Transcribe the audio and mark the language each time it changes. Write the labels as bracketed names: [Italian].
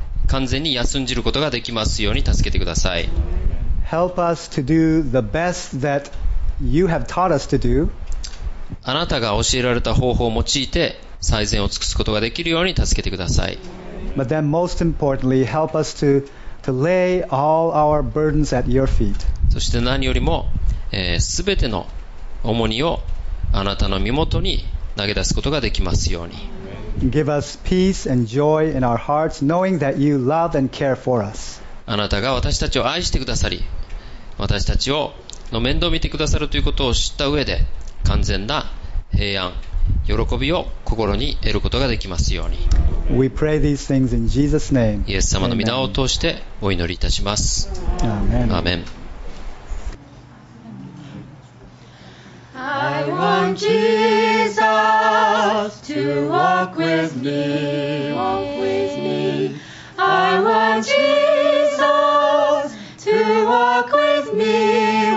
[Japanese] 完全に休んじることができますように助けてください。 [English] Help us to do the best that you have taught us to do. [Japanese] あなたが教えられた方法を用いて最善を尽くすことができるように助けてください。 [English] But then most importantly, help us to lay all our burdens at your feet. [Japanese] そして何よりも、全ての重荷をあなたの身元に投げ出すことができますように。 [English] Give us peace and joy in our hearts, knowing that you love and care for us. [Japanese] あなたが私たちを愛してくださり、私たちをの面倒を見てくださるということを知った上で、完全な平安、喜びを心に得ることができますように。 [English] We pray these things in Jesus' name. [Japanese] イエス様の御名を通してお祈りいたします。 [English] Amen. Amen. I want Jesus to walk with me. Walk with me. I want Jesus to walk with me.